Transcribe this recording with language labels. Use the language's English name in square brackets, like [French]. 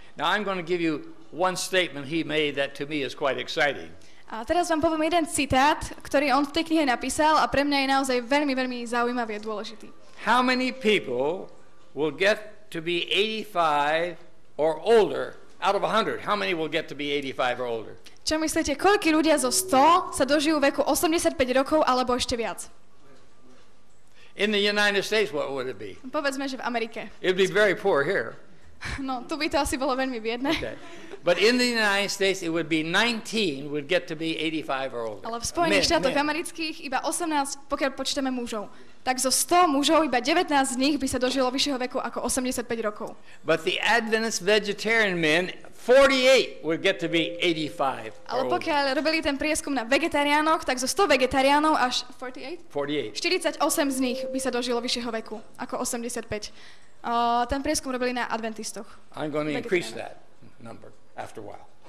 [English] Now I'm going to give you one statement he made that to me is quite exciting. [Slovak] A teraz vám poviem jeden citát, ktorý on v tej knihe napísal a pre mňa je naozaj veľmi, veľmi zaujímavý a dôležitý. [English] How many people will get to be 85 or older out of 100? How many will get to be 85 or older? [Slovak] Čo myslíte, koľko ľudia zo 100 sa dožijú veku 85 rokov alebo ešte viac? [English] In the United States, what would it be? [Slovak] Povedzme, že v Amerike. [English] It would be very poor here. [Slovak] No, tu by to asi bolo veľmi biedne. [English] Okay. But in the United States, it would be 19 would get to be 85 or older. [Slovak] Ale v Spojených štátoch amerických iba 18, pokiaľ počítame mužov. Tak zo 100 mužov iba 19 z nich by sa dožilo vyššieho veku ako 85 rokov. [English] But the Adventist vegetarian men, 48 would get to be 85 or older. [Slovak] Ale pokiaľ robili ten prieskum na vegetariánoch, tak zo 100 vegetariánov až 48 z nich by sa dožilo vyššieho veku ako 85. Ten prieskum robili na adventistoch. [English] I'm going to increase that number after a while.